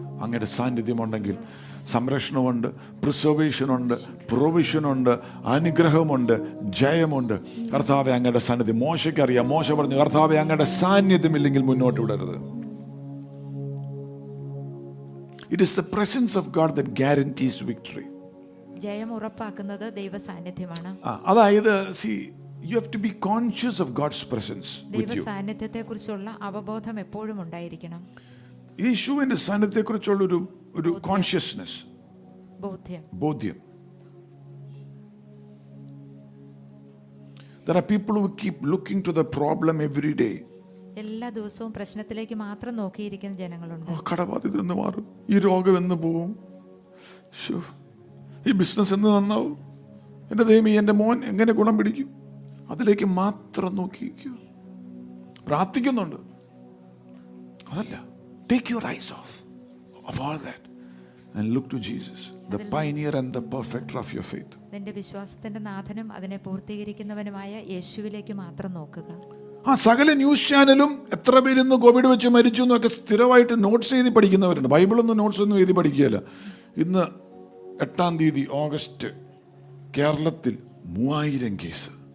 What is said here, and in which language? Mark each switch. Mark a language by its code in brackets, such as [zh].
[ml] അങ്ങയുടെ സാന്നിധ്യമുണ്ടെങ്കിൽ സംരക്ഷണമുണ്ട്, പ്രിസർവേഷനുണ്ട്, പ്രൊവിഷനുണ്ട്, അനുഗ്രഹമുണ്ട്, ജയമുണ്ട്. കർത്താവെ അങ്ങയുടെ സാന്നിധ്യം. മോശയ്ക്കറിയാം, മോശ പറഞ്ഞു, കർത്താവെ അങ്ങയുടെ സാന്നിധ്യമില്ലെങ്കിൽ മുന്നോട്ട് വിടരുത്. [en] It is the presence of God that guarantees victory. [ml] ജയം ഉറപ്പാക്കുന്നത് ദൈവ സാന്നിധ്യമാണ്. [en] അതായത് you have to be conscious of God's presence with you. [ml] ദൈവ സാന്നിധ്യത്തെ കുറിച്ചുള്ള അവബോധം എപ്പോഴും ഉണ്ടായിരിക്കണം. യേശുവിന്റെ സാന്നിധ്യത്തെ കുറിച്ചുള്ള ഒരു ഒരു കോൺഷ്യസ്നെസ്, ബോധ്യം. [en] There are people who keep looking to the problem every day. [ml] എല്ലാ ദിവസവും പ്രശ്നത്തിലേക്ക് മാത്രം നോക്കിയിരിക്കുന്ന ജനങ്ങളുണ്ട്. ആ കടബാധ ഇതെന്ന് മാറും, ഈ രോഗം എന്ന് പോവും, ഈ ബിസിനസ് എന്ന് നന്നാവും, എന്റെ ദൈവമേ എന്റെ മോൻ എങ്ങനെ ഗുണം പിടിക്കും, അതിലേക്ക് മാത്രം നോക്കിയിരിക്കുക. പ്രാർത്ഥിക്കുന്നുണ്ട്, അതല്ല. [en] Take your eyes off of all that. and look to Jesus, the pioneer and the perfecter of your faith. [ml] നിന്റെ വിശ്വാസത്തിന്റെ നാഥനും അതിനെ പൂർത്തീകരിക്കുന്നവനുമായ യേശുവിലേക്ക് മാത്രം നോക്കുക. ആ സകല ന്യൂസ് ചാനലും എത്ര പേരിന്ന് കോവിഡ് വെച്ച് മരിച്ചു എന്നൊക്കെ സ്ഥിരമായിട്ട് നോട്ട്സ് എഴുതി പഠിക്കുന്നവരുണ്ട്. ബൈബിളൊന്നും നോട്ട്സ് ഒന്നും എഴുതി പഠിക്കുകയല്ല. ഇന്ന് 8th ഓഗസ്റ്റ് കേരളത്തിൽ 3000 കേസ്.